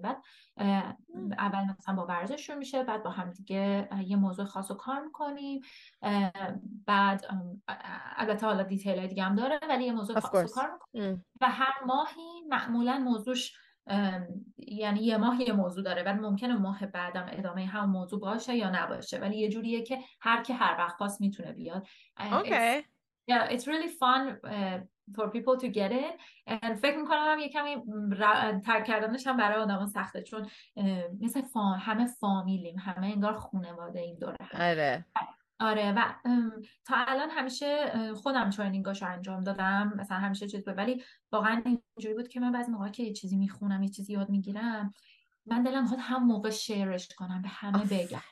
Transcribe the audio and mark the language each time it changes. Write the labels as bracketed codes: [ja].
[fa] بعد اول مثلا با ورزش شروع میشه، بعد با هم دیگه یه موضوع خاص رو کار میکنیم، بعد البته حالا دیتیل های دیگه هم داره، ولی یه موضوع خاص رو کار میکنیم. و هر ماهی معمولا موضوعش، یعنی یه ماه یه موضوع داره، بعد ممکنه ماه بعدم ادامه هم موضوع باشه یا نباشه، ولی یه جوریه که هر که هر وقت خاص میتونه بیاد. [en] Yeah, it's really fun for people to get it. [fa] And فکر میکنم هم یکمی ترک کردنش هم برای آدم سخته، چون مثل همه فامیلیم، همه انگار خانواده این دوره. آره. آره و تا الان همیشه خودم ترنینگاش رو انجام دادم، مثلا همیشه چیز بود، ولی واقعا اینجوری بود که من بعضی موقع که یه چیزی میخونم، یه چیزی یاد میگیرم، من دلم خود هم موقع شیرش کنم، به همه بگم.